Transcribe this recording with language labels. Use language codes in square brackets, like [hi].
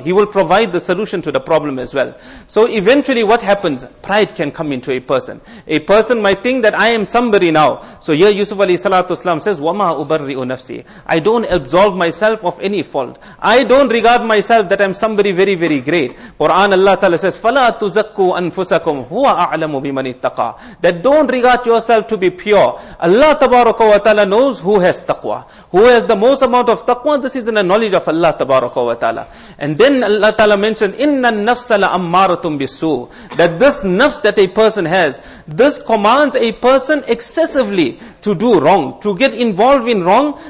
[en] He will provide the solution to the problem as well. So eventually what happens? Pride can come into a person. A person might think that I am somebody now. So here Yusuf alayhi salatu wasalam says, [ar] وَمَا أُبَرِّئُ نَفْسِي. [en] I don't absolve myself of any fault. I don't regard myself that I am somebody very, very great. Quran Allah Ta'ala says, [ar] فَلَا تُزَكُّوا أَنفُسَكُمْ هُوَ أَعْلَمُ بِمَنِ اتَّقَى. [en] That don't regard yourself to be pure. Allah tabaraka wa ta'ala knows who has taqwa. Who has the most amount of taqwa? This is in the knowledge of Allah tabaraka wa ta'ala. And then Allah ta'ala mentioned, [ar] inna nafsa la ammaratum bisu. [en] That this nafs that a person has, this commands a person excessively to do wrong, to get involved in wrong.